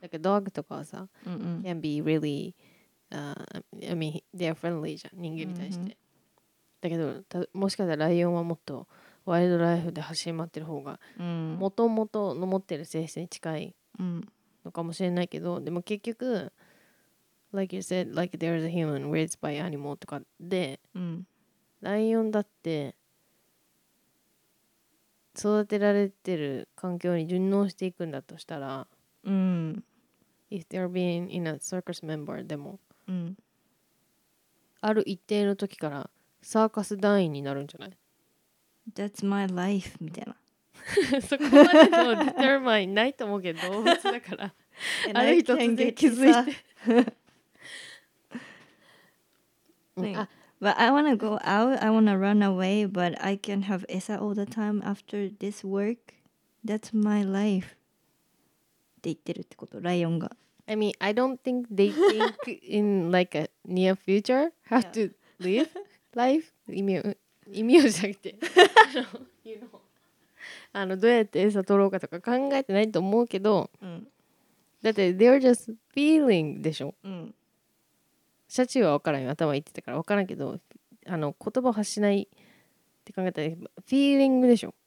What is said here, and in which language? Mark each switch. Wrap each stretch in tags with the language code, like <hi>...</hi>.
<ja>なんかドッグとかはさ、うんうん、</ja> <en>can be really、I mean they are friendly</en> <ja>じゃん、人間に対して、うんうん、だけどもしかしたらライオンはもっとワイルドライフで走り回ってる方が、うん、元々の持ってる性質に近いのかもしれないけど、うん、でも結局</ja> <en>Like you said, like there is a human raised by animal</en> <ja>とかで、うん、ライオンだって育てられてる環境に順応していくんだとしたら、うん、</ja> <en>if they are being in a circus member でも、うん、</en> <ja>ある一定の時からサーカス団員になるんじゃない？</ja> <en>That's my life</en> <ja>みたいなそこまでの determine ないと思うけど、動物だからある日突然気づいて</ja> <en>But I want to go out, I want to run away, but I can have Esa all the time after this work. That's my life.</en> <ja>って言ってるってこと、ライオンが。</ja> <en>I mean, I don't think they think in like a near future how、yeah. to live life.</en> <ja>意味をじゃなくて。あのどうやってエサ取ろうかとか考えてないと思うけど、うん、</ja> <en>だって they're just feeling でしょ。うん、</en> <ja>シャチは分からん、頭いってたから分からんけど、あの言葉を発しないって考えたらフィーリングでしょ、</ja>